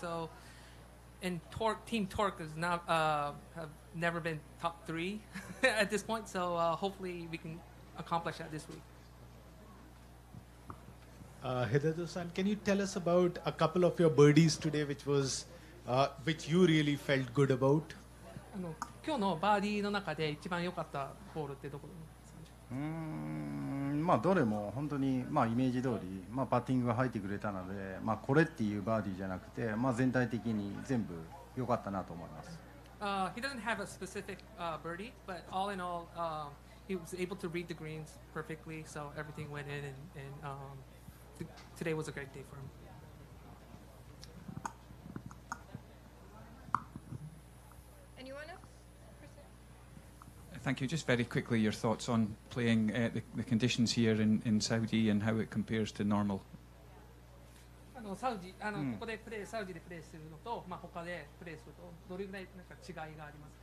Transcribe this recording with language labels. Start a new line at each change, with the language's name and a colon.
English: So and Team Torque has not have never been top three at this point. So hopefully we can accomplish that this week. Hideto-san, can you tell us about a couple of your birdies today, which you really felt good about?
Japanese: 今日のバーディーの中で一番良かったホールってどこですか？まあどれも本当にまあイメージ通り、まあパッティングが入ってくれたので、まあこれっていうバーディーじゃなくて、まあ全体的に全部良かったなと思います。
English: He doesn't have a specific birdie, but all in all, he was able to read the greens perfectly, so everything went in and Today was a great day for him. Anyone else? Thank you. Just very quickly, your thoughts on playing the conditions here in Saudi and how it compares to normal.
Japanese: Saudi, ここでプレー、サウジでプレーするのと、まあ、他でプレーするとどれぐらいなんか違いがありますか?